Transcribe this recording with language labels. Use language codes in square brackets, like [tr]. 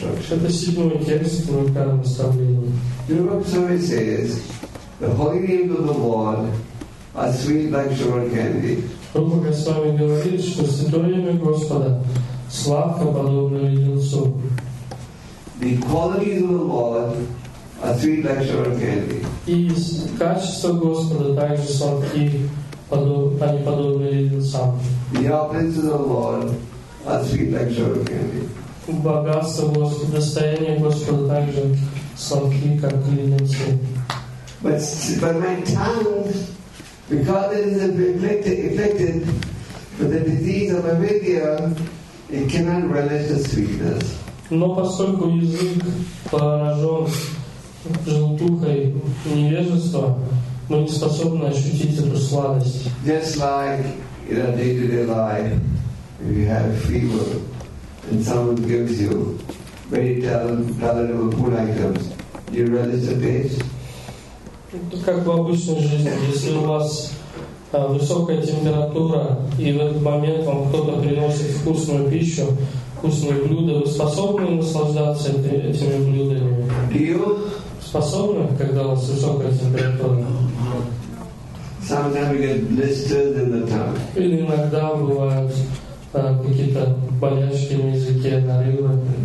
[ru] Это седьмой текст Нектара Наставления. [en] Rupa Goswami says, the holy names of the Lord are sweet like sugar candy. [ru] Рупа Госвами говорит, что Святое Имя Господа сладко подобно леденцу. [en] The qualities of the Lord are sweet like sugar candy. [ru] И качества Господа также сладки, они подобны леденцам. [en] The opulence of the Lord are sweet like sugar candy. [ru] Богатство Господа, достояние Господа также сладки, как леденцы. [en] But my tongue, because it is afflicted with the disease of avidya, it cannot relish the sweetness. [ru] Но поскольку язык поражен желтухой невежества, мы не способны ощутить эту сладость. [en] Just like in a day-to-day life, if you have fever and someone gives you very palatable food items, you relish the taste. [ru] Как в обычной жизни, если у вас высокая температура и в этот момент вам кто-то приносит вкусную пищу, вкусные блюда, вы способны наслаждаться этими блюдами? Способны, когда у вас высокая температура? [en] Sometimes you get blisters in the tongue. [ru] Или иногда бывают какие-то болячки на языке, на ребрах.